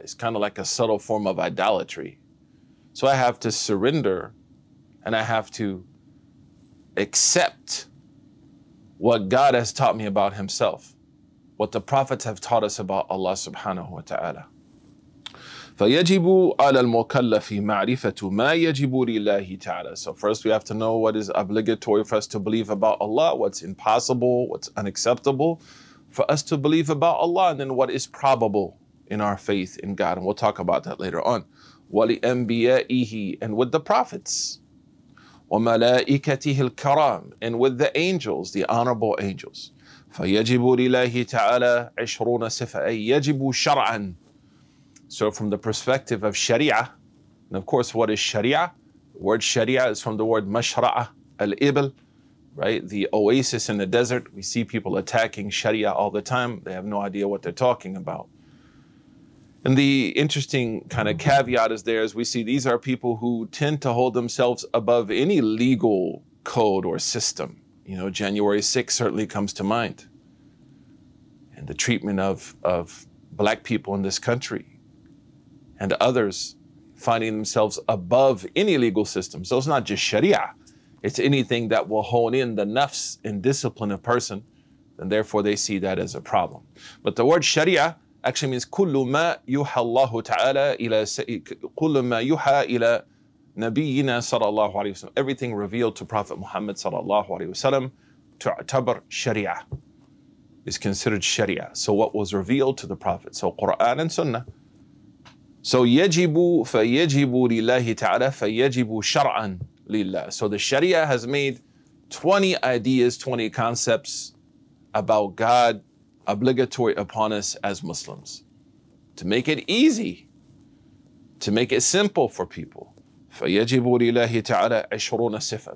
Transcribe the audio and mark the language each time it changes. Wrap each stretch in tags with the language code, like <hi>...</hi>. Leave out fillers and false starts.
<en>It's kind of like a subtle form of idolatry. So I have to surrender and I have to accept what God has taught me about himself, what the prophets have taught us about Allah subhanahu wa ta'ala.</en> <ar>فيجب على المكلف معرفة ما يجب لله تعالى.</ar> <en>So first we have to know what is obligatory for us to believe about Allah, what's impossible, what's unacceptable for us to believe about Allah, and then what is probable in our faith in God. And we'll talk about that later on. ولأنبيائه, and with the prophets.</en> <ar>وملائكته الكرام,</ar> <en>and with the angels, the honorable angels.</en> <ar>فيجب لله تعالى عشرون صفة, يجب شرعا.</ar> <en>So from the perspective of Sharia, and of course, what is Sharia? The word Sharia is from the word Mashra'a al-Ibl, right? The oasis in the desert. We see people attacking Sharia all the time. They have no idea what they're talking about. And the interesting kind of caveat is there, as we see, these are people who tend to hold themselves above any legal code or system. You know, January 6th certainly comes to mind. And the treatment of black people in this country and others finding themselves above any legal system. So it's not just Sharia. It's anything that will hone in the nafs and discipline a person. And therefore they see that as a problem. But the word Sharia actually means</en> <ar>كل ما يوحى الله تعالى إلى كل ما يوحى إلى نبينا صلى الله عليه وسلم.</ar> <en>Everything revealed to Prophet Muhammad</en> <ar>صلى الله عليه وسلم تعتبر شريعة,</ar> <en>is considered شريعة. So what was revealed to the Prophet, so Quran and Sunnah.</en> <ar>So يجب فيجب لله تعالى فيجب شرعا لله.</ar> <en>So the Sharia has made 20 ideas, 20 concepts about God obligatory upon us as Muslims, to make it easy, to make it simple for people.</en> <ar>فَيَجِبُ لِلَّهِ تَعَالَى عِشْرُونَ صِفَةً.</ar>